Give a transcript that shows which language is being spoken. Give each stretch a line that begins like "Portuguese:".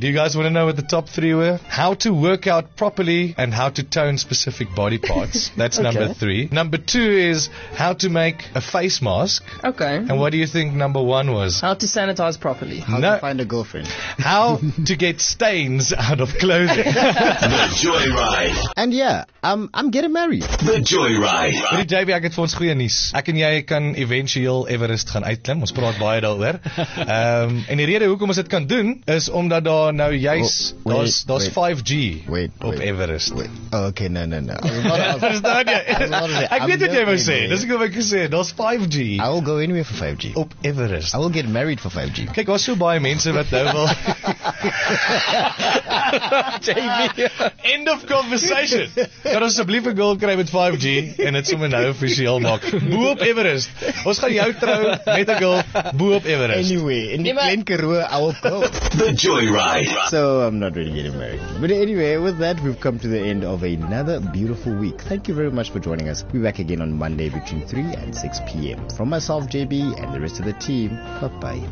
English: Do you guys want to know what the top 3 were? How to work out properly and how to tone specific body parts. That's okay. Number 3. Number 2 is how to make a face mask. Okay. And what do you think number 1 was? How to sanitize properly. To find a girlfriend. How to get stains out of clothing. The Joyride. And yeah, I'm getting married. The Joyride.
Afrikaans: Vir die JV, ek het vir ons goeie nuus. Ek en jy kan eventueel Everest gaan uitklim. Ons praat baie daaroor. En die rede hoekom ons dit kan doen is omdat daar nou juist daar's 5G op Everest.
English: Okay, no.
Afrikaans: Ek weet wat jy wou sê. Dis ek wou sê, daar's 5G.
English: I will go anywhere for 5G.
Afrikaans: Op Everest.
English: I will get married for 5G.
Afrikaans: Kyk, daar's so baie mense wat nou wil. JV.
English: End of conversation.
Afrikaans: Kan ons asseblief 'n girl kry met 5G en dit sommer nou offisieel maak. Bo op Everest. Ons gaan jou trou met 'n girl bo op Everest.
English: Anyway,
Afrikaans: in die
English: Glen Karoo, I will go. The Joyride. So, I'm not really getting married. But anyway, with that, we've come to the end of another beautiful week. Thank you very much for joining us. We'll be back again on Monday between 3 and 6 p.m. From myself, JB, and the rest of the team, bye-bye.